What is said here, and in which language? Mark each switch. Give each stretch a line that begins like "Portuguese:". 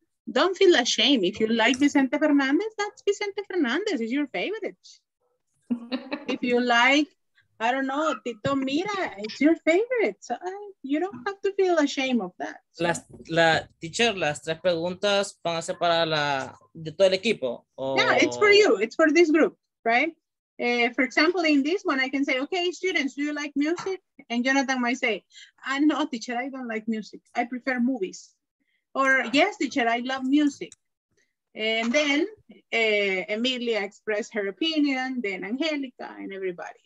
English: Don't feel ashamed. If you like Vicente Fernandez, that's Vicente Fernandez, it's your favorite. If you like, I don't know, Tito Mira, it's your favorite. So you don't have to feel ashamed of that.
Spanish: Teacher, las tres preguntas van a ser para la, de todo el equipo.
English: Yeah, it's for you. It's for this group, right? For example, in this one, I can say, okay, students, do you like music? And Jonathan might say, no, teacher, I don't like music. I prefer movies. Or yes, teacher, I love music. And then Emilia expressed her opinion, then Angelica and everybody.